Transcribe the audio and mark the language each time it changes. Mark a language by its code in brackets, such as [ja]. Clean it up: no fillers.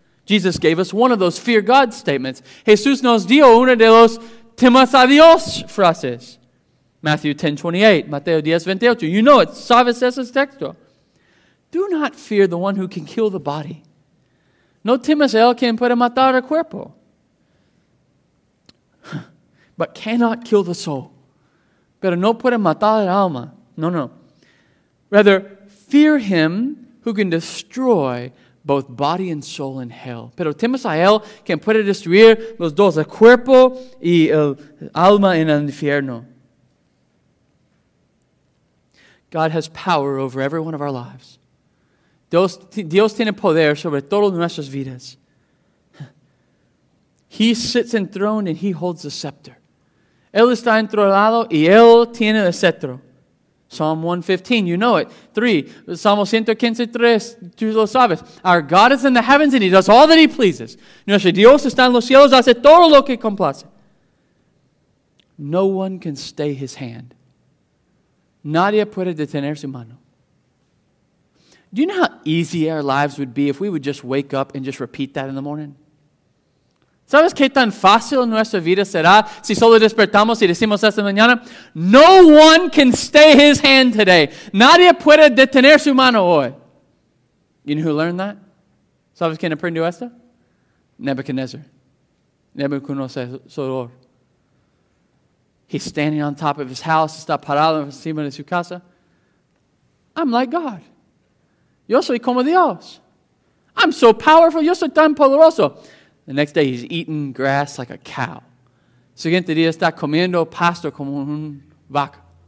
[en] Jesus gave us one of those fear God statements. [es] Jesús nos dio una de los temas a Dios frases. [en] Matthew 10:28, Mateo 10:28. You know it. [es] Sabes ese texto. [en] Do not fear the one who can kill the body. [es] No temas a él quien puede matar el cuerpo. [en] But cannot kill the soul. [es] Pero no puede matar el alma. No, no. [en] Rather, fear him who can destroy both body and soul in hell. [es] Pero temas a él quien puede destruir los dos, el cuerpo y el alma en el infierno. [en] God has power over every one of our lives. [es] Dios tiene poder sobre todas nuestras vidas. [en] He sits enthroned and He holds the scepter. [es] Él está entronado y Él tiene el cetro. [en] Psalm 115, you know it. 3, Salmo 115:3, [es] tú lo sabes. [en] Our God is in the heavens and He does all that He pleases. [es] Nuestro Dios está en los cielos, hace todo lo que complace. [en] No one can stay His hand. [es] Nadie puede detener su mano. [en] Do you know how easy our lives would be if we would just wake up and just repeat that in the morning? [es] ¿Sabes qué tan fácil nuestra vida será si solo despertamos y decimos esta mañana? [en] No one can stay His hand today. [es] Nadie puede detener su mano hoy. [en] You know who learned that? [es] ¿Sabes quién aprendió esto? [en] Nebuchadnezzar. Nebuchadnezzar. He's standing on top of his house, [es] está parado encima de su casa. [en] I'm like God. [es] Yo soy como Dios. [en] I'm so powerful, [es] yo soy tan poderoso. [en] The next day he's eating grass like a cow. [es] Siguiente día está comiendo pasto como un vaca.